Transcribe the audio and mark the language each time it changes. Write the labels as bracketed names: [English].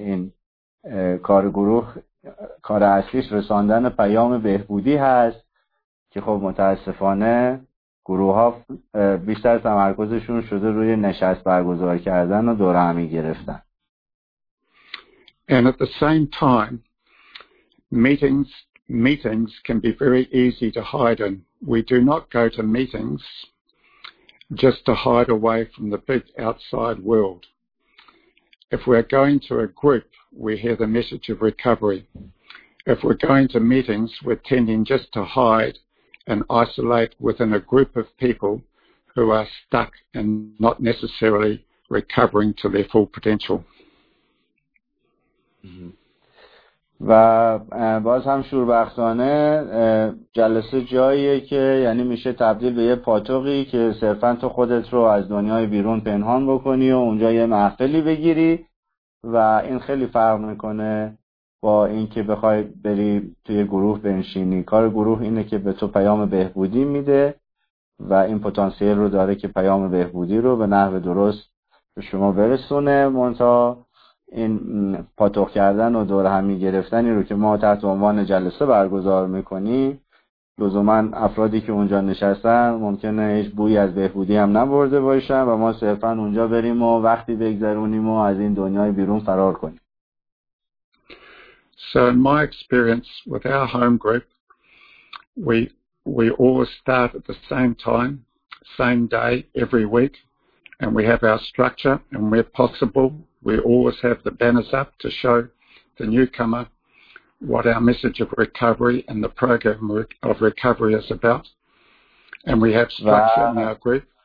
[Persian] این کار گروه، کار اصلیش رساندن پیام بهبودی هست که خب متاسفانه گروه ها بیشتر تمرکزشون شده روی نشست برگزار کردن و دور همی گرفتن. [English] And at the same time, meetings can be very easy to hide in. We do not go to meetings just to hide away from the big outside world. If we're going to a group, we hear the message of recovery. If we're going to meetings, we're tending just to hide and isolate within a group of people who are stuck and not necessarily recovering to their full potential. [Persian] و باز هم شوربختانه جلسه جاییه که یعنی میشه تبدیل به یه پاتوقی که صرفا تو خودت رو از دنیای بیرون پنهان بکنی و اونجا یه محفلی بگیری و این خیلی فرق میکنه با اینکه بخوای بری توی گروه بنشینی. کار گروه اینه که به تو پیام بهبودی میده و این پتانسیل رو داره که پیام بهبودی رو به نحو درست به شما برسونه. منتها این پاتوق کردن و دور همی گرفتنی رو که ما تحت عنوان جلسه برگزار میکنی لزوماً افرادی که اونجا نشستن ممکنه هیچ بویی از بهبودی هم نبرده باشن و ما صرفا اونجا بریم و وقتی بگذرونیم و از این دنیای بیرون فرار کنیم. [English] So in my experience with our home group, we always start at the same time, same day, every week, and we have our structure, and where possible, we always have the banners up to show the newcomer what our message of recovery and the program of recovery is about, and we have structure in our group.